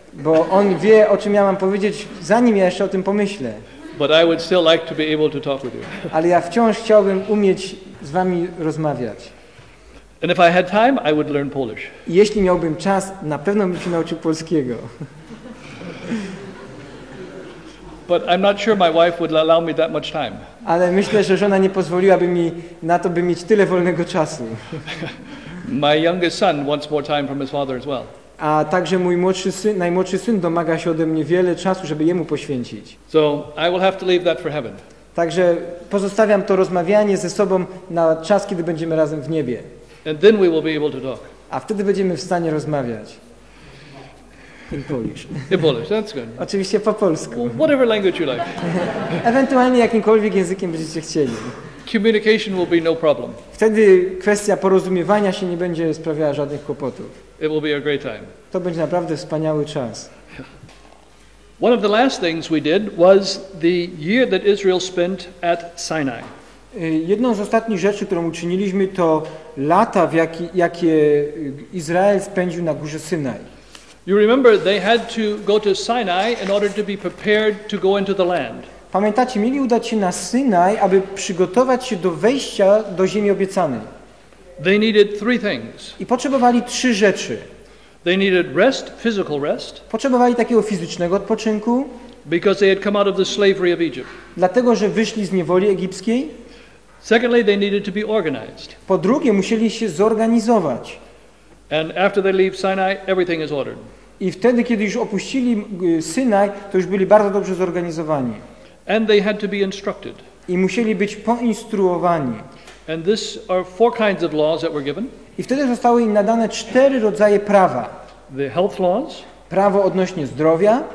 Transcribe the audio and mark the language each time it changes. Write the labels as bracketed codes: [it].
[pl] Bo on wie, o czym ja mam powiedzieć, zanim ja jeszcze o tym pomyślę. [en] But I would still like to be able to talk with you. [pl] Ale ja wciąż chciałbym umieć z wami rozmawiać. [en] And if I had time, I would learn Polish. [pl] Jeśli miałbym czas, na pewno bym się nauczył polskiego. [en] But I'm not sure my wife would allow me that much time. [pl] Ale myślę, że żona nie pozwoliłaby mi na to, by mieć tyle wolnego czasu. [en] My youngest son wants more time from his father as well. [pl] A także mój najmłodszy syn domaga się ode mnie wiele czasu, żeby jemu poświęcić. [en] So I will have to leave that for heaven. [pl] Także pozostawiam to rozmawianie ze sobą na czas, kiedy będziemy razem w niebie. [en] And then we will be able to talk. [pl] A wtedy będziemy w stanie rozmawiać. [en] In Polish, that's good. [pl] Oczywiście po polsku. [en] Whatever language you like. [pl] Ewentualnie jakimkolwiek językiem będziecie chcieli. [en] Communication will be no problem. [pl] Wtedy kwestia porozumiewania się nie będzie sprawiała żadnych kłopotów. [en] It will be a great time. [pl] To będzie naprawdę wspaniały czas. [en] One of the last things we did was the year that Israel spent at Sinai. [pl] Jedną z ostatnich rzeczy, którą uczyniliśmy, to lata, jakie Izrael spędził na górze Synaj. [en] You remember they had to go to Sinai in order to be prepared to go into the land. [pl] Pamiętacie, mieli udać się na Synaj, aby przygotować się do wejścia do ziemi obiecanej. [en] They needed 3 things. [pl] I potrzebowali 3 rzeczy. [en] They needed rest, physical rest. [pl] Potrzebowali takiego fizycznego odpoczynku. [en] Because they had come out of the slavery of Egypt. [pl] Dlatego, że wyszli z niewoli egipskiej. [en] Secondly, they needed to be organized. [pl] Po drugie, musieli się zorganizować. [en] And after they leave Sinai, everything is ordered. [pl] I wtedy, kiedy już opuścili Synaj, to już byli bardzo dobrze zorganizowani. [en] And they had to be instructed. [pl] I musieli być poinstruowani. [en] And this are 4 kinds of laws that were given. [pl] I wtedy zostały im nadane 4 rodzaje prawa. [en] The health laws. [pl] Prawo odnośnie zdrowia.